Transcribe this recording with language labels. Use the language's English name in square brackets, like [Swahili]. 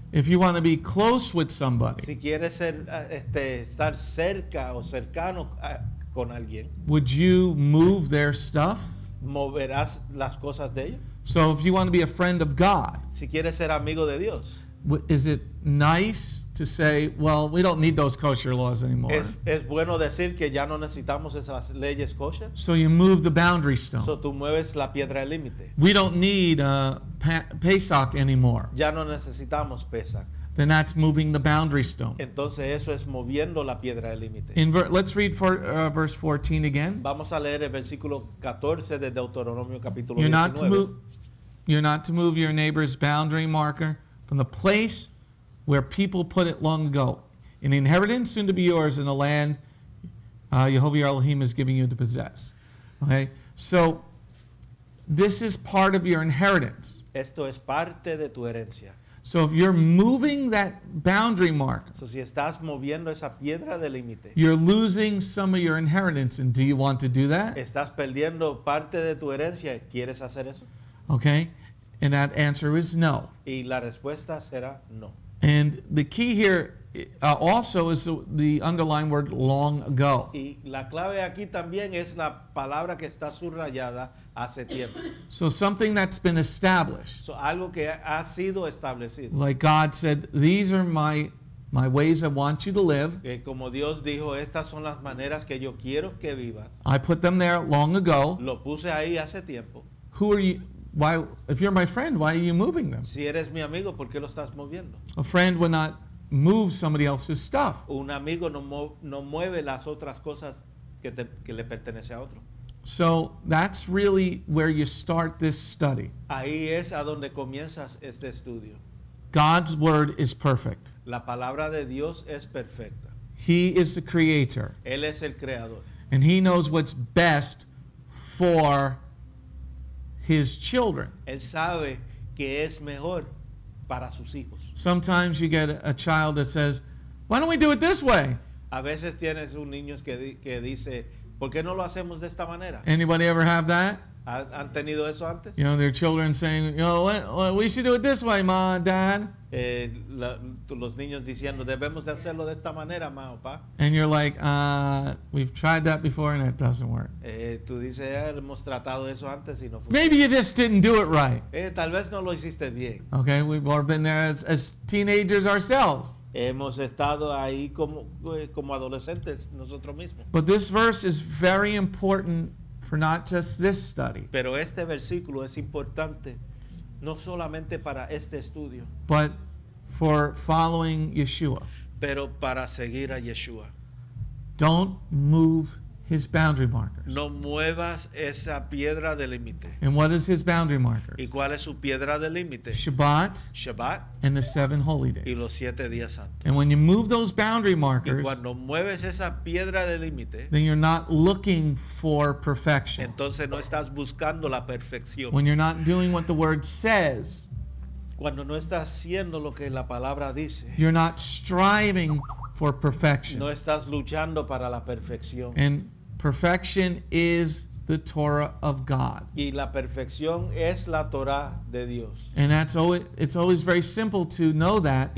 [English] If you want to be close with somebody, [Spanish] si quieres ser, estar cerca o cercano con alguien, [English] would you move their stuff? [Spanish] Moverás las cosas de ellos. [English] So if you want to be a friend of God, [Spanish] si quieres ser amigo de Dios, [English] is it nice to say, well, we don't need those kosher laws anymore? [Spanish] Es bueno decir que ya no necesitamos esas leyes kosher. [English] So you move the boundary stone. [Spanish] So tú mueves la piedra límite. [English] We don't need Pesach anymore. [Spanish] Ya no necesitamos Pesach. [English] Then that's moving the boundary stone. [Spanish] Entonces eso es moviendo la piedra límite. [English] Let's read verse 14 again. [Spanish] Vamos a leer el versículo 14 de Deuteronomio capítulo 19. [English] You're not to move your neighbor's boundary marker from the place where people put it long ago, an inheritance soon to be yours in a land Jehovah your Elohim is giving you to possess. Okay, so this is part of your inheritance. [Spanish] Esto es parte de tu herencia. [English] So if you're moving that boundary mark, [Spanish] so si estás moviendo esa piedra de límite, [English] you're losing some of your inheritance. And do you want to do that? [Spanish] Estás perdiendo parte de tu herencia. ¿Quieres hacer eso? [English] Okay. And that answer is no. [Spanish] Y la respuesta será no. [English] And the key here also is the underlying word long ago. [Spanish] Y la clave aquí también es la palabra que está subrayada hace tiempo. [English] So something that's been established. [Spanish] So algo que ha sido establecido. [English] Like God said, these are my ways I want you to live. [Spanish] Como Dios dijo, estas son las maneras que yo quiero que vivas. [English] I put them there long ago. [Spanish] Lo puse ahí hace tiempo. [English] Who are you? Why, if you're my friend, why are you moving them? [Spanish] Si eres mi amigo, ¿por qué lo estás moviendo? [English] A friend would not move somebody else's stuff. [Spanish] Un amigo no mueve las otras cosas que le pertenece a otro. [English] So that's really where you start this study. [Spanish] Ahí es a donde comienzas este estudio. [English] God's word is perfect. [Spanish] La palabra de Dios es perfecta. [English] He is the creator. [Spanish] Él es el creador. [English] And he knows what's best for his children. [Spanish] Él sabe que es mejor para sus hijos. [English] Sometimes you get a child that says, "Why don't we do it this way?" [Spanish] A veces tienes un niño que dice, "¿Por qué no lo hacemos de esta manera?" [English] Anybody ever have that? [Spanish] ¿Han tenido eso antes? [English] You know, their children saying, "You know, we should do it this way, ma, dad." [Spanish] Los niños diciendo, "Debemos de hacerlo de esta manera, ma, pa." [English] And you're like, "We've tried that before and it doesn't work." [Spanish] Tú dices, "Hemos tratado eso antes y no funciona." [English] Maybe you just didn't do it right. [Spanish] Tal vez no lo hiciste bien. [English] Okay, we've all been there as teenagers ourselves. [Spanish] Hemos estado ahí como adolescentes nosotros mismos. [English] But this verse is very important for not just this study. [Spanish] Pero este versículo es importante no solamente para este estudio, [English] but for following Yeshua. [Spanish] Pero para seguir a Yeshua. [English] Don't move his boundary markers. [Spanish] No muevas esa piedra de límite. [English] And what is his boundary markers? [Spanish] ¿Y cuál es su piedra de límite? [English] Shabbat. And the seven holy days. [Spanish] Y los siete días santos. [English] And when you move those boundary markers, [Spanish] y cuando mueves esa piedra de límite, [English] then you're not looking for perfection. [Spanish] Entonces no estás buscando la perfección. [English] When you're not doing what the word says, [Spanish] cuando no estás haciendo lo que la palabra dice, [English] you're not striving for perfection. [Spanish] No estás luchando para la perfección. [English] And perfection is the Torah of God. [Spanish] Y la perfección es la Torah de Dios. [English] And that's always, it's always very simple to know that.